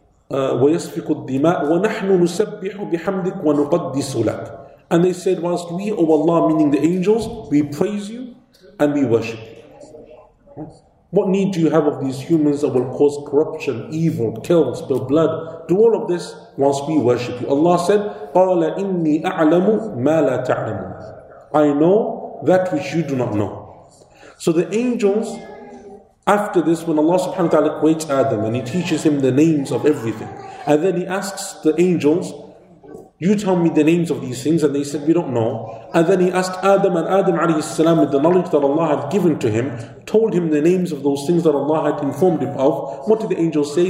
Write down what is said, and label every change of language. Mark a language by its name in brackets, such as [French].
[Arabic] وَيَسْفِكُ الدِّمَاءَ وَنَحْنُ نُسَبِّحُ بِحَمْدِكُ وَنُقَدِّسُ لَكُ. [English] And they said, whilst we, O Allah, meaning the angels, we praise you and we worship you. What need do you have of these humans that will cause corruption, evil, kill, spill blood? Do all of this whilst we worship you. Allah said, [Arabic] قَالَ إِنِّي أَعْلَمُ مَا لَا تَعْلَمُ. [English] I know that which you do not know. So the angels, after this, when Allah subhanahu wa ta'ala creates Adam and He teaches him the names of everything, and then He asks the angels, you tell me the names of these things, and they said, we don't know. And then He asked Adam, and Adam alayhi salam, with the knowledge that Allah had given to him, told him the names of those things that Allah had informed him of. What did the angels say?